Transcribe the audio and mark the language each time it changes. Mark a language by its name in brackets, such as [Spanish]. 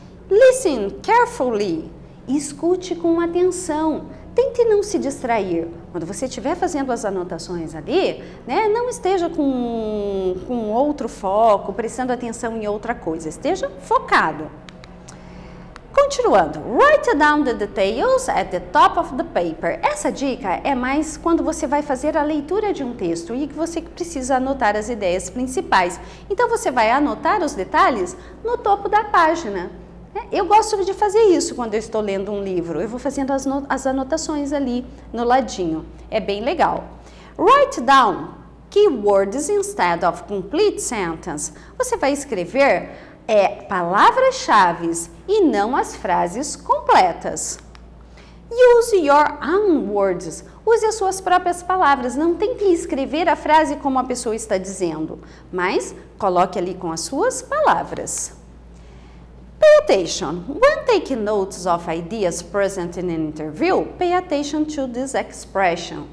[English] Listen carefully. [Portuguese] Escute com atenção. Tente não se distrair. Quando você estiver fazendo as anotações ali, né, não esteja com outro foco, prestando atenção em outra coisa. Esteja focado. Continuando. [English] Write down the details at the top of the paper. [Portuguese] Essa dica é mais quando você vai fazer a leitura de um texto e que você precisa anotar as ideias principais. Então, você vai anotar os detalhes no topo da página. Eu gosto de fazer isso quando eu estou lendo um livro. Eu vou fazendo as anotações ali no ladinho. É bem legal. [English] Write down keywords instead of complete sentence. [Portuguese] Você vai escrever palavras-chave e não as frases completas. [English] Use your own words. [Portuguese] Use as suas próprias palavras. Não tente escrever a frase como a pessoa está dizendo, mas coloque ali com as suas palavras. [English] Pay attention. When taking notes of ideas present in an interview, pay attention to this expression.